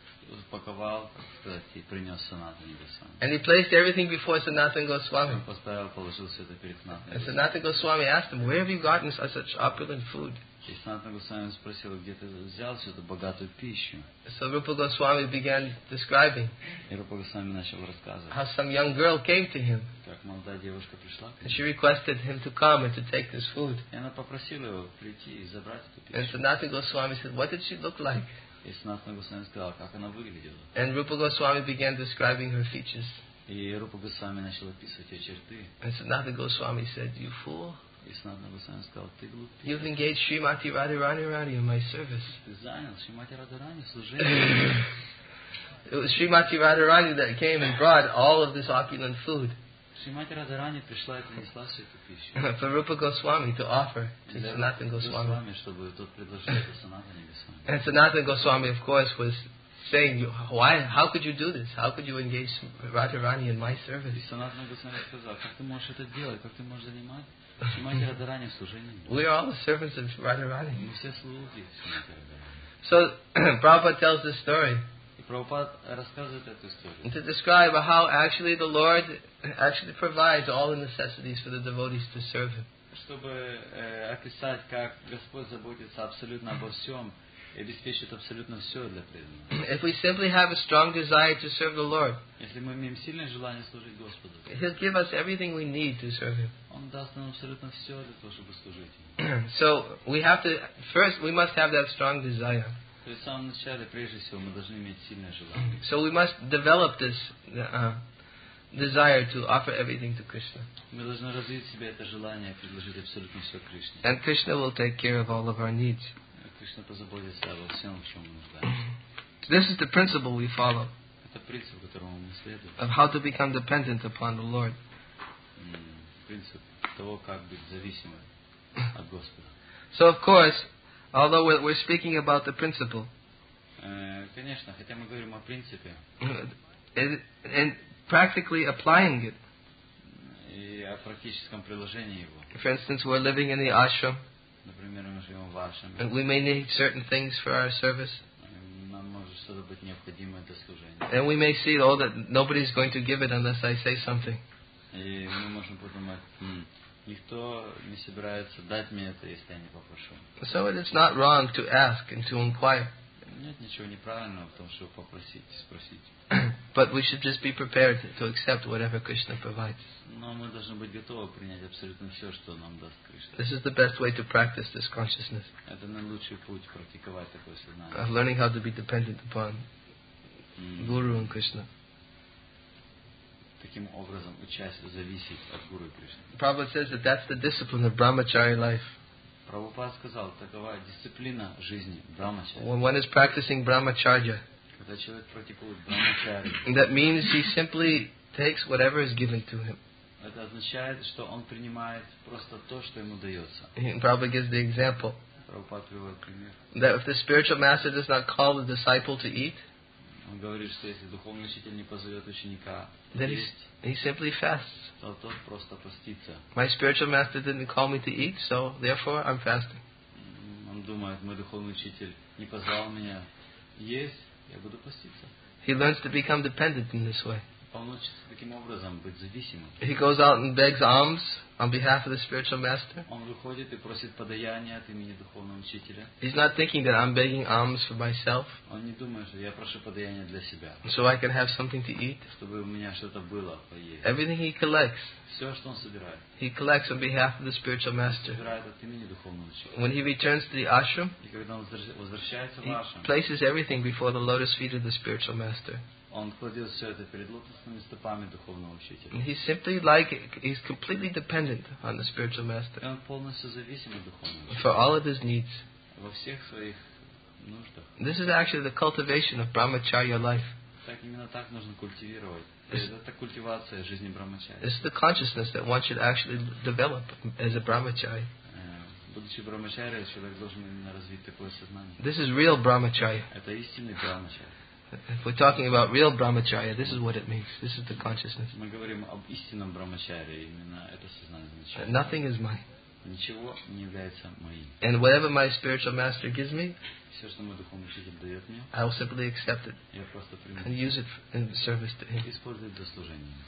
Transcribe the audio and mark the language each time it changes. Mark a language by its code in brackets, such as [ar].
[ru] Упаковал, сказать, и принес Санатану Госвами. [en] And he placed everything before Sanatana Goswami. [ru] Поставил, положил все это перед Санатаной. [en] And Sanatana Goswami asked him, where have you gotten such opulent food? [ru] И Санатана Госвами спросил, где ты взял всю эту богатую пищу? [en] So Rupa Goswami began describing. [ru] И Рупа Госвами начал рассказывать. [en] How some young girl came to him. [ru] Как молодая девушка пришла. [en] And she requested him to come and to take this food. [ru] И она попросила его прийти и забрать эту пищу. [en] And Sanatana Goswami said, what did she look like? [ru] И Санатана Госвами сказал, как она выглядела. [en] And Rupa Goswami began describing her features. [ru] И Рупа Госвами начал описывать ее черты. [en] And Sanatana Goswami said, you fool. [ru] И Санатана Госвами сказал, ты глупец. [en] You've engaged Srimati Radharani Rani in my service. [ru] Ты занял Srimati Radharani в служении. [en] It was Srimati Radharani that came and brought all of this opulent food. [ru] Srimati Radharani пришла и принесла всю эту пищу. [en] For Rupa Goswami to offer to Sanatana Goswami. [ru] Чтобы тот предложил это Санатане Госвами. [en] And Sanatana Goswami, of course, was saying, "Why? How could you do this? How could you engage Radharani in my service?" Sanatana Goswami said, "How can you do this? How can you engage Radharani in my service?" We are all the servants of Radharani. [ru] Мы все слуги. [en] So, Prabhupada tells this story. [ru] Prabhupada рассказывает эту историю. [en] To describe how actually the Lord actually provides all the necessities for the devotees to serve Him. [ru] Чтобы описать, как Господь заботится абсолютно обо всем. Обеспечит абсолютно все для преданного. [en] If we simply have a strong desire to serve the Lord, [ru] если мы имеем сильное желание служить Господу, [en] He'll give us everything we need to serve Him. [ru] Он даст нам абсолютно все для того, чтобы служить Ему. [en] So we have to first, we must have that strong desire. [ru] То есть в самом начале, прежде всего, мы должны иметь сильное желание. [en] So we must develop this desire to offer everything to Krishna. [ru] Мы должны развить в себе это желание предложить абсолютно все Кришне. [en] And Krishna will take care of all of our needs. [ru] Кришна позаботится обо всем, в чем мы нуждаемся. [en] This is the principle we follow. [ru] Это принцип, которому мы следуем. [en] Of how to become dependent upon the Lord. [ru] Принцип того, как быть зависимым от Господа. [en] So of course, although we're speaking about the principle. [ru] Конечно, хотя мы говорим о принципе. [en] And practically applying it. [ru] И о практическом приложении его. [en] For instance, we're living in the ashram. [ru] Например, мы живем в вашем. [en] And we may need certain things for our service. [ru] Нам может что-то быть необходимое для служения. [en] And we may see all that nobody is going to give it unless I say something. [ru] И мы можем подумать, никто не собирается дать мне это, если я не попрошу. [en] So it is not wrong to ask and to inquire. [ru] Нет ничего неправильного в том, чтобы попросить и спросить. [en] But we should just be prepared to accept whatever Krishna provides. [ru] Но мы должны быть готовы принять абсолютно все, что нам даст Кришна. [en] This is the best way to practice this consciousness. [ru] Это наилучший путь практиковать такое сознание. [en] Of learning how to be dependent upon Guru and Krishna. [ru] Таким образом, учась зависеть от Гуру и Кришны. [en] Prabhupada says that that's the discipline of Brahmachari life. [ru] Прабхупада сказал, такова дисциплина жизни Брахмачари. [en] When one is practicing Brahmacharya, [ru] когда человек практикует Брахмачари, [en] that means he simply takes whatever is given to him. [ru] Это означает, что он принимает просто то, что ему дается. [en] Prabhupada gives the example. [ru] Прабхупада приводит пример. [en] That if the spiritual master does not call the disciple to eat, [ru] он говорит, что если духовный учитель не позовет ученика, [en] he simply fasts. [ru] То тот просто постится. [en] My spiritual master didn't call me to eat, so therefore I'm fasting. [ru] он думает, мой духовный учитель не позвал меня. Есть, я буду поститься. [en] He learns to become dependent in this way. [ru] Он учится таким образом быть зависимым. [en] He goes out and begs alms on behalf of the spiritual master. [ru] Он выходит и просит подаяние от имени духовного учителя. [en] He's not thinking that I'm begging alms for myself. [ru] Он не думает, что я прошу подаяние для себя. [en] So I can have something to eat. [ru] Чтобы у меня что-то было поесть. [en] Everything he collects. [ru] Все, что он собирает. [en] He collects on behalf of the spiritual master. [ru] Собирает от имени духовного учителя. [en] When he returns to the ashram. [ru] И когда он возвращается в ашрам. [en] He places everything before the lotus feet of the spiritual master. [ru] Он кладет все это перед лотосными стопами духовного учителя. [en] He simply like he's completely dependent on the spiritual master. [ru] Он полностью зависим от духовного учителя. [en] For all of his needs. [ru] Во всех своих нуждах. [en] This is actually the cultivation of brahmacharya life. [ru] Так именно так нужно культивировать. Это культивация жизни брахмачари. [en] It's the consciousness that one should actually develop as a brahmachari. [ru] Будучи брахмачари, человек должен именно развить такое сознание. [en] This is real brahmachari. [ru] Это истинный брахмачари. [en] If we're talking about real brahmacharya, this is what it means. This is the consciousness. [ru] Мы говорим об истинном брахмачарье, именно это сознание означает. [en] Nothing is mine. [ru] Ничего не является моим. [en] And whatever my spiritual master gives me, [ru] все, что мой духовный учитель дает мне, [en] I will simply accept it. [ru] Я просто примем. [en] And use it in service to him. [ru] Использую для служения.